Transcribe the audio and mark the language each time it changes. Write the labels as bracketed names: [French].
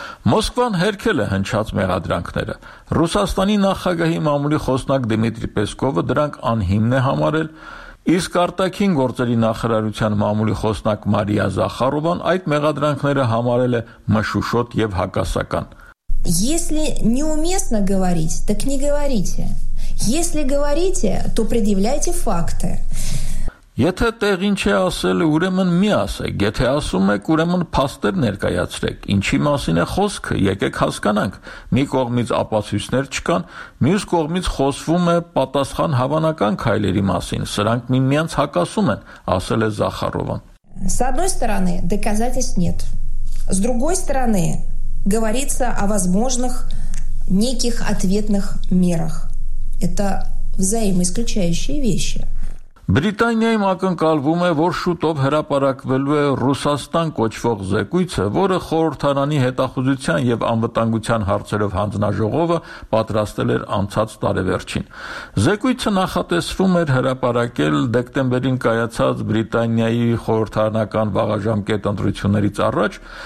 [Armenian] Մոսկվան հերքել է հնչած մեղադրանքները։ Ռուսաստանի նախագահի մամուլի խոսնակ Դմիտրի Պեսկովը դրանք անհիմն է համարել, իսկ արտաքին գործերի նախարարության մամուլի խոսնակ Մարիա Զախարովան այդ մեղադրանքները համարել է մշուշոտ եւ հակասական։ [Russian] Если неуместно говорить, так не говорите. Если говорите, то предъявляйте факты. [Armenian] Եթե տեղ ինչ է ասել, ուրեմն մի ասեք, եթե ասում եք, ուրեմն փաստեր ներկայացրեք, ինչի մասին է խոսքը, եկեք հասկանանք, մի կողմից ապացույցներ չկան, մյուս կողմից խոսվում է պատասխան հավանական քայլերի մասին, սրանք միմյանց հակասում են, ասել է Զախարովան. [Russian] С одной стороны, доказательств нет. С другой стороны, говорится о возможных неких ответных мерах. Это взаимоисключающие вещи. [Armenian] Բրիտանիայում ակնկալվում է, որ շուտով հրապարակվելու է Ռուսաստան կոչվող զեկույցը, որը խորհրդարանի հետախուզության և անվտանգության հարցերով հանձնաժողովը պատրաստել էր անցած տարեվերջին։ Զեկույցը նախատեսվում էր հրապարակել դեկտեմբերին կայացած Բրիտանիայի խորհրդարանական վաղաժամկետ ընտրություններից առաջ,